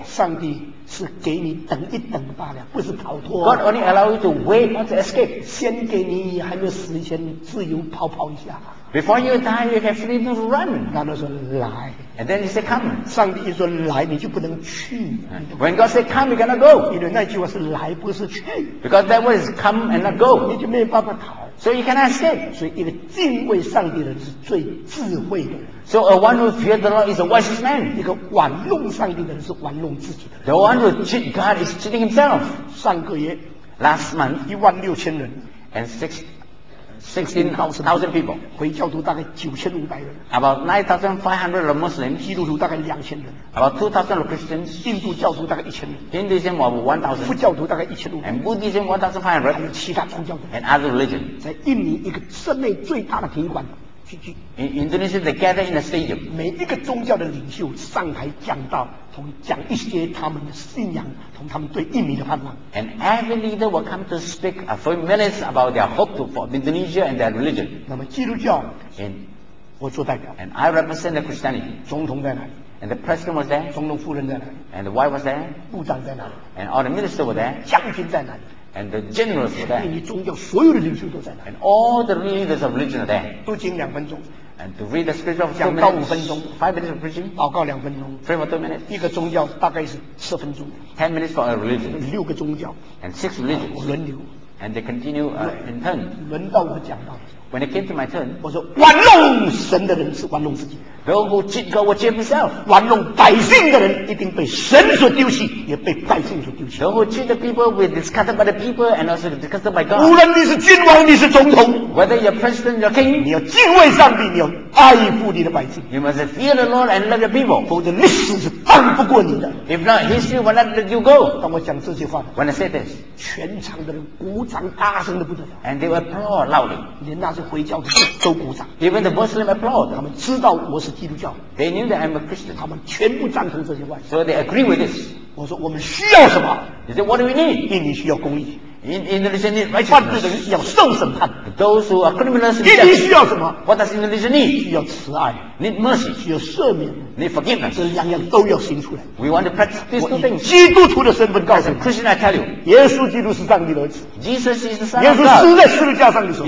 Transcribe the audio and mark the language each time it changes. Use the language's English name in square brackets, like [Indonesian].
[Chinese] 上帝是给你等一等罢了，不是逃脱。 [English] God only allow you to wait, not to escape。 [Chinese] 先给你还没有死前自由跑跑一下。 [English] Before you die, you have freedom to run. [Chinese] 然后说来。 [English] And then he said, come. [Chinese] 上帝一说来，你就不能去。 [English] When God said, come, you cannot go. [Chinese] 因为那句话是来，不是去。 [English] Because that word is come and not go. [Chinese] 你就没有办法逃。 [English] So you cannot escape. [Chinese] 所以一个敬畏上帝的人是最智慧的。 [English] So a one who fears the Lord is a wise man. [Chinese] 一个玩弄上帝的人是玩弄自己的。 [English] The one who cheat God is cheating himself. [Chinese] 上个月 [English] ，last month, [Chinese] 16,000 人 [English] and 16,000 people. [Chinese] 回教徒大概9,500人。 [English] About 9,500 are Muslims. [Chinese] 基督徒大概2,000人。 [English] About 2,000 are Christians. [Chinese] 印度教徒大概1,000人。 [English] Hinduism about 1,000. [Chinese] 佛教徒大概1,500。 [English] And Buddhism 1,500. [Chinese] 还有其他宗教。 [English] And other religion. [Chinese] 在印尼一个室内最大的体育馆。 [English] In Indonesia, they gather in a stadium. [Chinese] 每一个宗教的领袖上台讲道，从讲一些他们的信仰，从他们对印尼的盼望。 [English] And every leader will come to speak a few minutes about their hope for Indonesia and their religion. [Chinese] 那么基督教 [English] ，And [Chinese] 我做代表。 [English] And I represent the Christianity. [Chinese] 总统在哪里 [English] ？And the president was there. [Chinese] 总统夫人在哪里 [English] ？And the wife was there. [Chinese] 部长在哪里 [English] ？And all the ministers were there. [Chinese] 将军在哪里？ [English] And the generals were there. [Chinese] 印尼宗教所有的领袖都在那。 [English] And all the leaders of religion are there. [Chinese] 都讲两分钟。 [English] And to read the scripture of [Chinese] 讲到五分钟。 [English] Five minutes of preaching. [Chinese] 祷告两分钟。 [English] Pray for 2 minutes. [Chinese] 一个宗教大概是十分钟。 [English] Ten minutes for a religion. [Chinese] 六个宗教。 [English] And six religions. [Chinese] 轮流。 [English] And they continue in turn. [Chinese] 轮到我讲到。 [English] When it came to my turn, [Chinese] 我说玩弄神的人是玩弄自己。 [English] Those who cheat God will cheat himself. [Chinese] 玩弄百姓的人一定被神所丢弃，也被百姓所丢弃。 [English] Those who cheat the people will be discarded by the people and also discarded by God. [Chinese] 无论你是君王，你是总统 [English] ，Whether you're president, you're king, [Chinese] 你要敬畏上帝，你要爱护你的百姓。 [English] You must fear the Lord and love your people. [Chinese] 否则历史是当不过你的。 [English] If not, history will not let you go. [Chinese] 当我讲这句话 [English] ，When I say this, [Chinese] 全场的人鼓掌，大声的不得了。 [English] And they will applaud loudly. [Chinese] 连那些回教的人都鼓掌。 [English] Even the Muslim applaud. [Chinese] 他们知道我是。基督教 [English] ，They knew that I'm a Christian. [Chinese] 他们全部赞成这些话 [English] ，So they agree with this. [Chinese] 我说我们需要什么 [English] ？They said, What do we need? [Chinese] 印尼需要公义 [English] ，Indonesia needs righteousness. [Chinese] 犯罪的人要受审判 [English] ，Those who are criminals. [Chinese] 印尼需要什么 [English] ？What does Indonesia need? [Chinese] 需要慈爱 [English] ，Need mercy. [Chinese] 需要赦免 [English] ，Need forgiveness. [Chinese] 这两样都要行出来。 [English] We want to practice these two things. [Chinese] 基督徒的身份告诉 [English] Christian, I tell you, [Chinese] 耶稣基督是上帝的儿子 [English] ，Jesus is the Son of God. [Chinese] 耶稣死在十字架上的时候